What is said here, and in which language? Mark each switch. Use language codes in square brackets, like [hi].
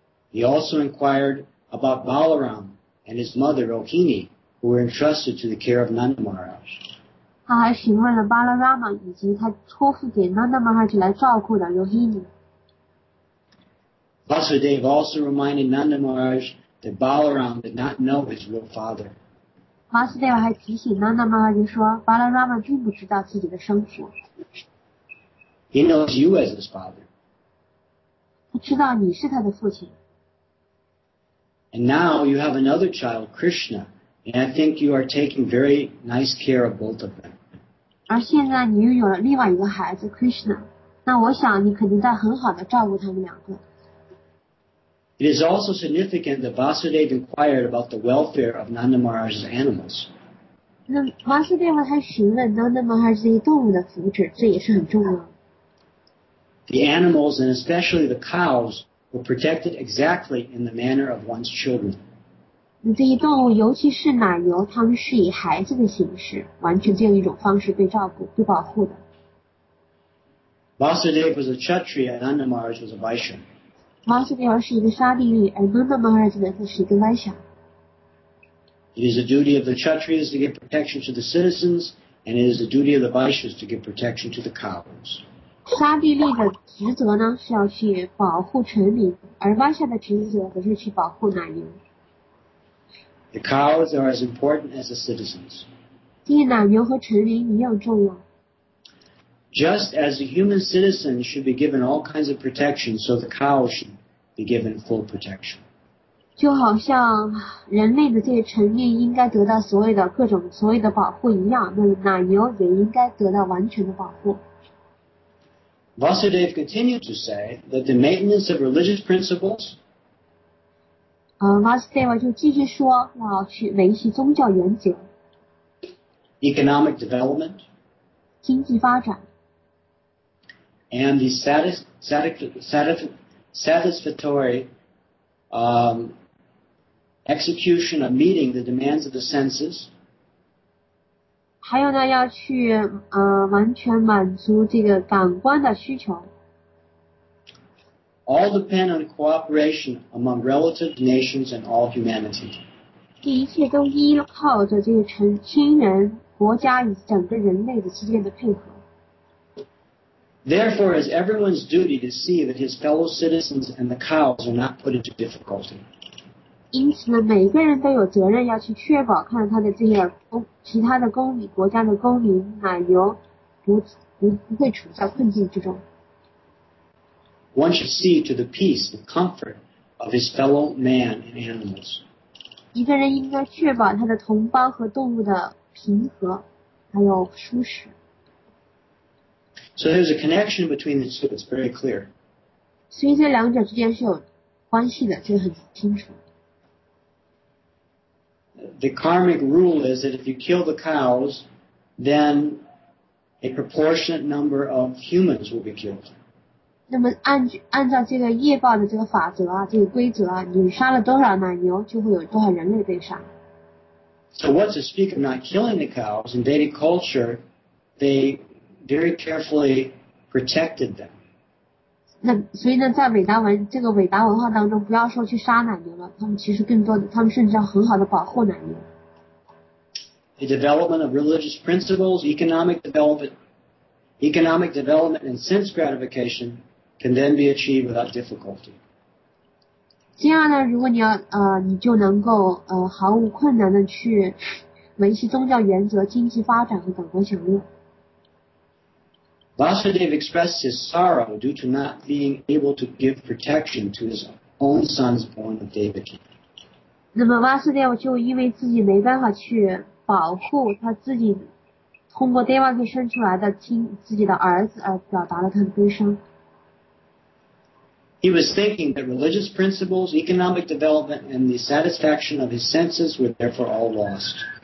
[en] He also inquired about Balaram and his mother Rohini, who were entrusted to the care of Nanda Maharaj. [zh] 他还询问了 Balarama 以及他托付给 Nanda Maharaj 来照顾的 Rohini。 [en] Vasudev also reminded Nanda Maharaj that Balaram did not know his real father. [zh] Vasudev 还提醒 Nanda Maharaj 说 Balarama 并不知道自己的生父。 [en] He knows you as his father. [zh] 他知道你是他的父亲。 [en] And now you have another child, Krishna, and I think you are taking very nice care of both of them. [zh] 而现在你又有了另外一个孩子 Krishna, 那我想你肯定在很好地照顾他们两个。 [en] It is also significant that Vasudeva inquired about the welfare of Nanda Maharaj's animals. [zh] Vasudeva 还询问 Nanda Maharaj 这些动物的福祉，这也是很重要。 [en] The animals, and especially the cows, were protected exactly in the manner of one's children. [zh] 这些动物，尤其是奶牛，它们是以孩子的形式，完全用一种方式被照顾、被保护的。 [en] Vasudeva was a Kshatriya, and Nanda Maharaj was a Vaishya. [zh] Vasudeva 是一个沙利利，而 Nanda Maharaj 呢，他是一个 Vaishya。 [en] It is the duty of the Kshatriyas to give protection to the citizens, and it is the duty of the Vaishyas to give protection to the cows. [zh] 沙利利的职责呢是要去保护臣民，而 Vaishya 的职责则是去保护奶牛。 [en] The cows are as important as the citizens. [zh] 这些奶牛和臣民一样重要。 [en] Just as a human citizen should be given all kinds of protection, so the cows should be given full protection. [zh] 就好像人类的这些臣民应该得到所谓的各种所谓的保护一样，那奶牛也应该得到完全的保护。 [en] Vasudeva continued to say that the maintenance of religious principles. [zh] Vasudeva 就继续说要去维系宗教原则。 [en] Economic development. [zh] 经济发展。 [en] And the satisfactory execution of meeting the demands of the senses. [zh] 还有呢，要去完全满足这个感官的需求。 [en] All depend on cooperation among relative nations and all humanity. [zh] 这一切都依靠着这个臣亲人、国家以及整个人类的之间的配合。 [en] Therefore, it's everyone's duty to see that his fellow citizens and the cows are not put into difficulty. [zh] 因此呢，每个人都有责任要去确保，看他的这些其他的公民、国家的公民、奶牛不会处在困境之中。 [en] One should see to the peace and comfort of his fellow man and animals. [zh] 一个人应该确保他的同胞和动物的平和，还有舒适。 [en] So there's a connection between the two, it's very clear. [zh] 所以这两者之间是有关系的，这很清楚。 [en] The karmic rule is that if you kill the cows, then a proportionate number of humans will be killed. [zh] 那么按照这个业报的这个法则啊，这个规则啊，你杀了多少奶牛，就会有多少人类被杀。 [en] So what's to speak of not killing the cows? In Vedic culture, they... very carefully protected them. [zh] 那所以呢，在伟达文这个伟达文化当中，不要说去杀奶牛了，他们其实更多的，他们甚至要很好的保护奶牛。 [en] The development of religious principles, economic development, and sense gratification can then be achieved without difficulty. [zh] 这样呢，如果你要你就能够毫无困难的去维系宗教原则、经济发展和感官享乐。 [en] Vasudeva expressed his sorrow due to not being able to give protection to his own sons born of Devaki. [zh] 那么 Vasudeva 就因为自己没办法去保护他自己通过 Devaki 生出来的亲自己的儿子而表达了他的悲伤。 [en] He was thinking that religious principles, economic development, and the satisfaction of his senses were therefore all lost.